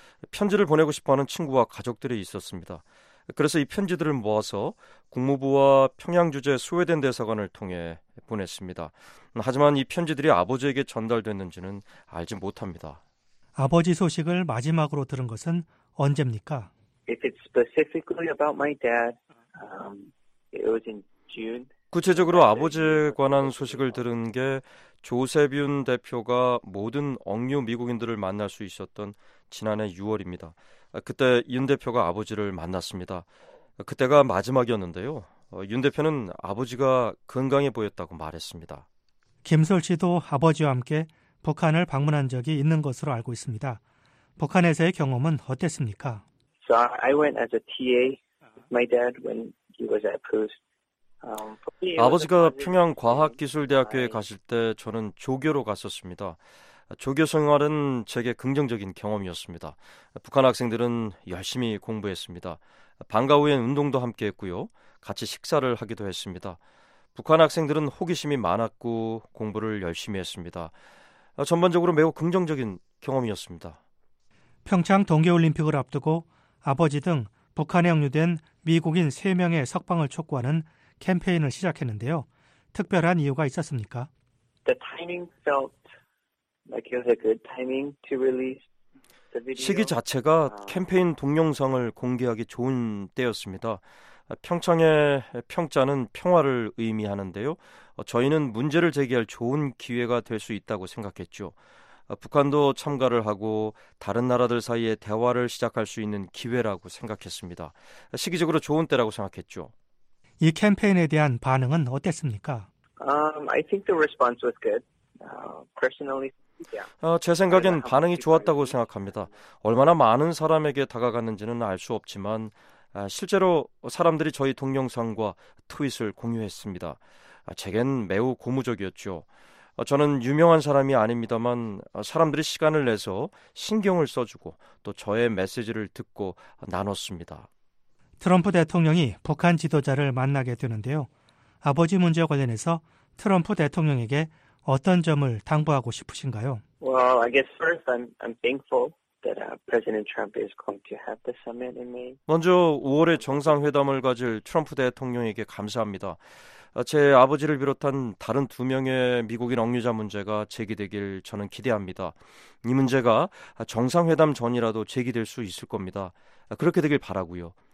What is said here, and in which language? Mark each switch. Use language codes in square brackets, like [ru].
[ko] 편지를 보내고 싶어하는 친구와 가족들이 있었습니다. 그래서 이 편지들을 모아서 국무부와 평양 주재 스웨덴 대사관을 통해 보냈습니다. 하지만 이 편지들이 아버지에게 전달됐는지는 알지 못합니다. 아버지 소식을 마지막으로 들은 것은 언제입니까? [en] If it's specifically about my dad, it was in June. [ko] 구체적으로 아버지에 관한 소식을 들은 게 조셉 윤 대표가 모든 억류 미국인들을 만날 수 있었던 지난해 6월입니다. 그때 윤 대표가 아버지를 만났습니다. 그때가 마지막이었는데요. 윤 대표는 아버지가 건강해 보였다고 말했습니다. 김설 씨도 아버지와 함께 북한을 방문한 적이 있는 것으로 알고 있습니다. 북한에서의 경험은 어땠습니까? [en] So I went as a TA with my dad when he was at post. [ko] 아버지가 평양과학기술대학교에 가실 때 저는 조교로 갔었습니다. 조교 생활은 제게 긍정적인 경험이었습니다. 북한 학생들은 열심히 공부했습니다. 방과 후엔 운동도 함께 했고요. 같이 식사를 하기도 했습니다. 북한 학생들은 호기심이 많았고 공부를 열심히 했습니다. 전반적으로 매우 긍정적인 경험이었습니다. 평창 동계올림픽을 앞두고 아버지 등 북한에 억류된 미국인 3명의 석방을 촉구하는 캠페인을 시작했는데요. 특별한 이유가 있었습니까? [en] The timing felt like it was a good timing to release the video. [ko] 시기 자체가 캠페인 동영상을 공개하기 좋은 때였습니다. 평창의 평자는 평화를 의미하는데요. 저희는 문제를 제기할 좋은 기회가 될 수 있다고 생각했죠. 북한도 참가를 하고 다른 나라들 사이에 대화를 시작할 수 있는 기회라고 생각했습니다. 시기적으로 좋은 때라고 생각했죠. 이 캠페인에 대한 반응은 어땠습니까? [en] I think the response was good. Personally, yeah. [ko] 제 생각엔 반응이 좋았다고 생각합니다. 얼마나 많은 사람에게 다가갔는지는 알 수 없지만 실제로 사람들이 저희 동영상과 트윗을 공유했습니다. 제겐 매우 고무적이었죠. 저는 유명한 사람이 아닙니다만 사람들이 시간을 내서 신경을 써주고 또 저의 메시지를 듣고 나눴습니다. 트럼프 대통령이 북한 지도자를 만나게 되는데요. 아버지 문제와 관련해서 트럼프 대통령에게 어떤 점을 당부하고 싶으신가요? [en] Well, I guess first I'm thankful that President Trump is going to have the summit in May. [ko] 먼저 5월에 정상회담을 가질 트럼프 대통령에게 감사합니다. 제 아버지를 비롯한 다른 두 명의 미국인 억류자 문제가 제기되길 저는 기대합니다. 이 문제가 정상회담 전이라도 제기될 수 있을 겁니다. 그렇게 되길 바라고요.